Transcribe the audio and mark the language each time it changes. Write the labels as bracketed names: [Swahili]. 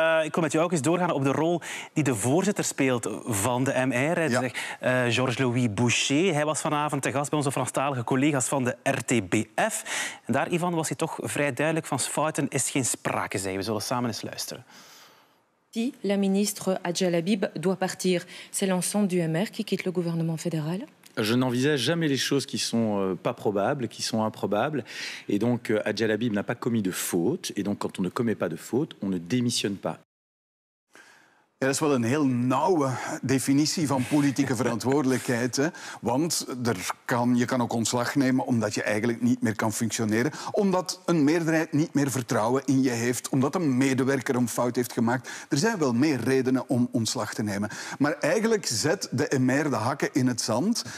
[Dutch] Ik kom met jou ook eens doorgaan op de rol die de voorzitter speelt van de MR. Ja. Georges-Louis Boucher. Hij was vanavond te gast bij onze Franstalige collega's van de RTBF. En daar, Ivan, was hij toch vrij duidelijk van fouten is geen sprake, zei. We zullen samen eens luisteren. [French] Si la ministre Hajda Labib doit partir, c'est l'ensemble du MR qui quitte le gouvernement fédéral. Je n'envisage jamais les choses qui sont pas probables, qui sont improbables. Et donc Hajda Labib n'a pas commis de faute. Et donc quand on ne commet pas de faute, on ne démissionne pas. [Dutch] Ja, dat is wel een heel nauwe definitie van politieke verantwoordelijkheid. Hè? Want je kan ook ontslag nemen omdat je eigenlijk niet meer kan functioneren. Omdat een meerderheid niet meer vertrouwen in je heeft. Omdat een medewerker een fout heeft gemaakt. Er zijn wel meer redenen om ontslag te nemen. Maar eigenlijk zet de MR de hakken in het zand.